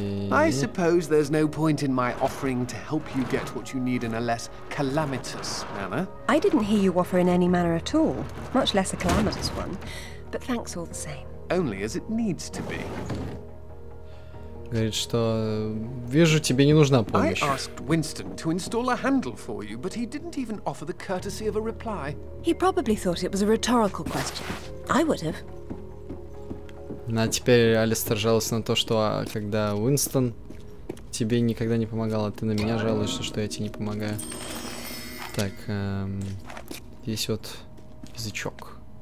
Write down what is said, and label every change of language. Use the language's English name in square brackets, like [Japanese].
[English] I suppose there's no point in my offering to help you get what you need in a less calamitous manner. I didn't hear you offer in any manner at all, much less a calamitous one. But thanks all the same. Only as it needs to be. [Russian] Говорит, что вижу, тебе не нужна помощь. [English] I asked Winston to install a handle for you, but he didn't even offer the courtesy of a reply. He probably thought it was a rhetorical question. I would have. [Russian] А теперь Алистер жалуется на то, что когда Уинстон тебе никогда не помогал, а ты на меня жалуешься, что я тебе не помогаю. Так, здесь вот язычок.